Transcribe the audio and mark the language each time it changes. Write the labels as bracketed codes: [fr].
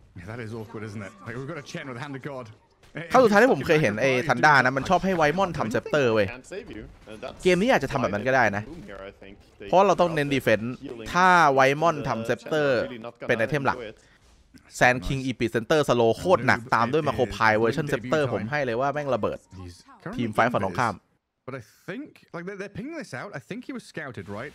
[en] That is awkward isn't it like we've got a chain with hand of god [th] ครั้งสุดท้ายที่ผมเคยเห็นไอ้ทันดานะมันชอบให้ไวมอนทำเซปเตอร์เว้ยเกมนี้อาจจะทำแบบนั้นก็ได้นะเพราะเราต้องเน้นดีเฟนส์ถ้าไวมอนทำเซปเตอร์เป็นไอเทมหลักแซนคิงอีพีเซนเตอร์สโลโคตรหนักตามด้วยมาโครพายเวอร์ชันเซปเตอร์ผมให้เลยว่าแม่งระเบิดทีมไฟฝั่งตรงข้าม [en] But I think, like, they're pinging this out. I think he was scouted, right?